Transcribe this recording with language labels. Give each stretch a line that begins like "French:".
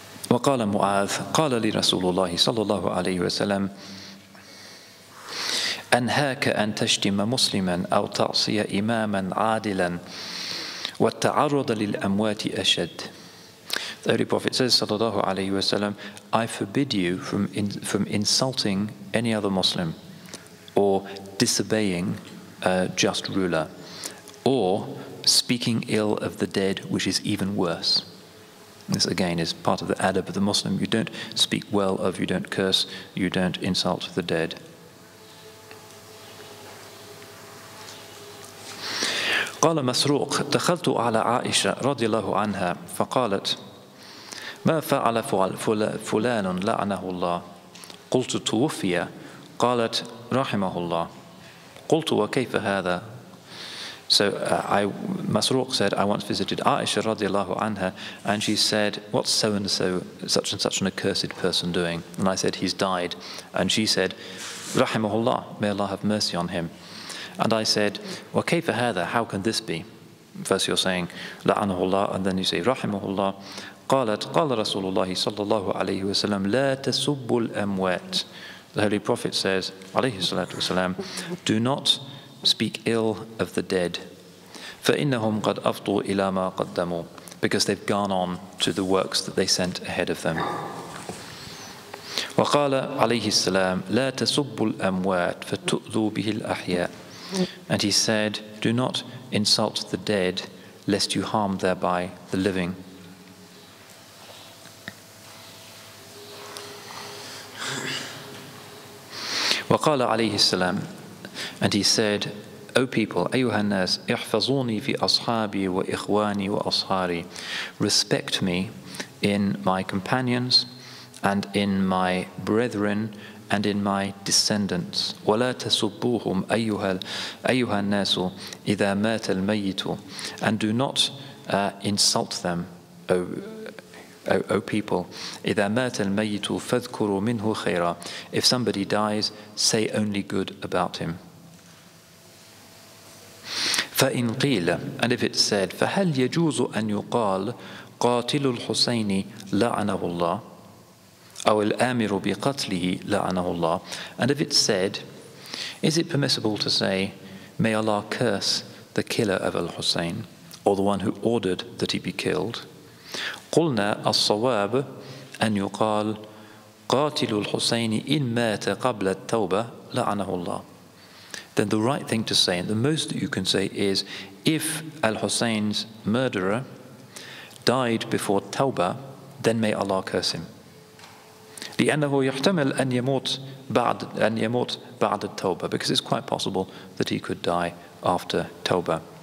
Arabic: وقال معاذ قال لرسول الله صلى الله عليه وسلم أنهاك أن تشتم مسلما أو تعصي إماما عادلا والتعرض للأموات أشد.
English: The Holy Prophet says
Arabic: صلى الله عليه وسلم,
English: I forbid you from insulting any other Muslim, or disobeying a just ruler, or speaking ill of the dead, which is even worse. This again is part of the adab of the Muslim. You don't speak well of, you don't curse, you don't insult the dead.
Arabic: قال مسروق دخلت على عائشة رضي الله عنها فقالت ما فعل فلان لعنه الله. قلت توفي. قالت رحمه الله. قلت وكيف هذا.
English: So Masruq said, I once visited Aisha radiallahu anha, and she said, what's so-and-so, such and such an accursed person doing? And I said, he's died. And she said, rahimahullah, may Allah have mercy on him. And I said,
Arabic: وكيف هذا?
English: How can this be? First you're saying,
Arabic: لعنه الله,
English: and then you say,
Arabic: رحمه الله. قالت, قال رسول الله صلى الله عليه وسلم, لا تسب الأموات.
English: The Holy Prophet says,
Arabic: عليه الصلاة والسلام,
English: do not speak ill of the dead.
Arabic: فإنهم قد أفضوا إلى ما قدموا.
English: Because they've gone on to the works that they sent ahead of them.
Arabic: وقال عليه السلام لا تسب الأموات فتؤذوا به الأحياء.
English: And he said, do not insult the dead, lest you harm thereby the living.
Arabic: وقال عليه السلام,
English: and he said, O people,
Arabic: أيها الناس, احفظوني في أصحابي وإخواني وأصحاري.
English: Respect me in my companions and in my brethren and in my descendants.
Arabic: ولا تسبوهم أيها الناس إذا مات الميت.
English: And do not insult them, O people.
Arabic: إذا مات الميت فاذكروا منه خيرا.
English: If somebody dies, say only good about him.
Arabic: فإن قيل,
English: and if it's said,
Arabic: فهل يجوز أن يقال قاتل الحسين لعنه الله
English: أو الآمر بقتله لعنه الله, and if it's said, is it permissible to say, may Allah curse the killer of al-Hussein or the one who ordered that he be killed?
Arabic: قلنا الصواب أن يقال قاتل الحسين إن مات قبل التوبة لعنه الله.
English: Then the right thing to say, and the most that you can say, is if al-Hussein's murderer died before Tawbah, then may Allah curse him.
Arabic: لِأَنَّهُ يَحْتَمَلْ أَنْ يَمُوتْ بَعْدَ التَّوْبَةِ,
English: because it's quite possible that he could die after Tawbah.